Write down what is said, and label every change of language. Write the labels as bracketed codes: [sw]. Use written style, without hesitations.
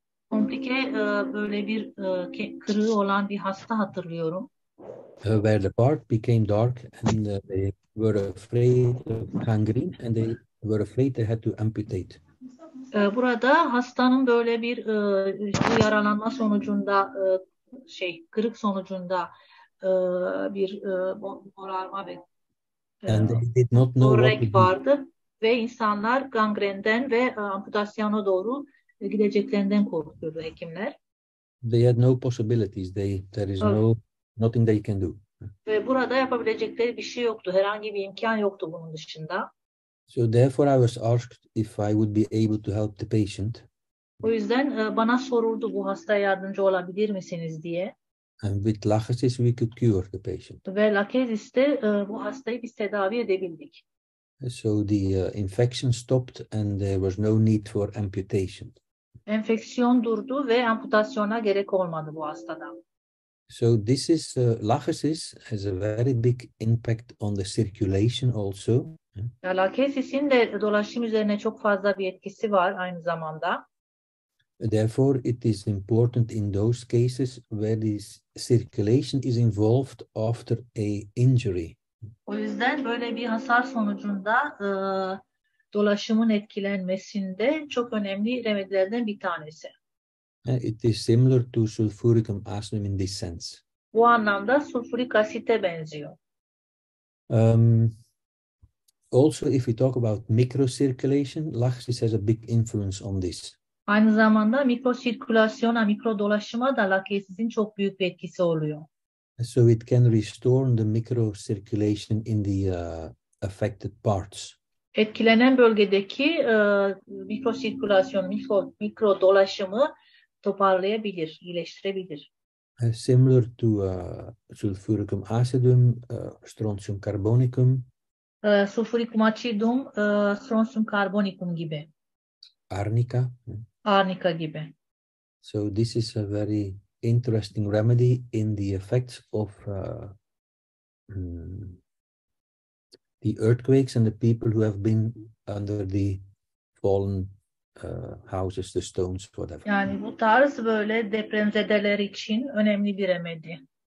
[tr] Komplike böyle bir kırığı olan bir hasta hatırlıyorum. [en] Where the part became dark and they were afraid of gangrene and they were afraid they had to amputate. [tr] Burada hastanın böyle bir yaralanma sonucunda kırık sonucunda bir morarma ve korrek vardı ve insanlar gangrenden ve amputasyona doğru gideceklerinden korkuyordu hekimler. [en] They had no possibilities. There is nothing they can do. [tr] Ve burada yapabilecekleri bir şey yoktu. Herhangi bir imkan yoktu bunun dışında. [en] So therefore I was asked if I would be able to help the patient. [tr] O yüzden bana soruldu bu hastaya yardımcı olabilir misiniz diye. [en] And with Lachesis we could cure the patient. [tr] Ve Lachesis'te bu hastayı biz tedavi edebildik. [en] So the infection stopped and there was no need for amputation. [tr] Enfeksiyon durdu ve amputasyona gerek olmadı bu hastada. [en] So this is Lachesis has a very big impact on the circulation also. [tr] Ya, Lachesis'in de dolaşım üzerine çok fazla bir etkisi var aynı zamanda. [en] Therefore it is important in those cases where the circulation is involved after a injury. [tr] O yüzden böyle bir hasar sonucunda dolaşımın etkilenmesinde çok önemli remedilerden bir tanesi. [en] It is similar to sulfuric acid in this sense. [tr] Bu anlamda sulfurik asite benziyor. [en] Also if we talk about microcirculation, Lachesis has a big influence on this. [tr] Aynı zamanda mikrosirkülasyona, mikro dolaşıma da Lachesis'in çok büyük bir etkisi oluyor. [en] So it can restore the microcirculation in the affected parts. [tr] Etkilenen bölgedeki mikrosirkülasyon, mikro dolaşımı toparlayabilir, iyileştirebilir. [en] Similar to sulfuric acidum, strontium carbonicum. [tr] Sulfuric acidum, strontium carbonicum gibi. [en] Arnica. [tr] Arnica gibi. [en] So this is a very interesting remedy in the effects of the earthquakes and the people who have been under the fallen houses, the stones, whatever. [tr] Yani bu tarz böyle depremzedeler için önemli bir remedi.